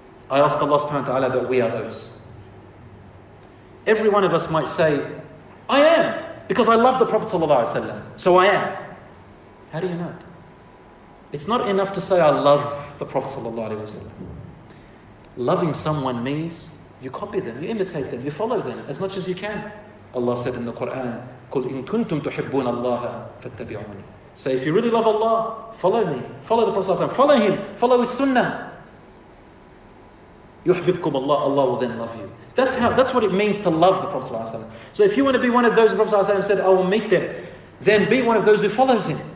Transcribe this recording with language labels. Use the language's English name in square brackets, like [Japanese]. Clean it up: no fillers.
[English] I ask Allah subhanahu wa ta'ala that we are those. Every one of us might say, I am, because I love the Prophet sallallahu alaihi wasallam. So I am. How do you know? It's not enough to say I love the Prophet sallallahu alaihi wasallam. Loving someone means you copy them, you imitate them, you follow them as much as you can. Allah said in the Quran, [Arabic] قُلْ إِن كُنْتُمْ تُحِبُّونَ اللَّهَ فَاتَّبِعُونِ. [English] Say, if you really love Allah, follow me. Follow the Prophet ﷺ. Follow him. Follow his sunnah. [Arabic] يُحْبِبْكُمْ اللَّهُ, [English] Allah will then love you. That's what it means to love the Prophet ﷺ. So if you want to be one of those, the Prophet ﷺ said, I will meet them, then be one of those who follows him.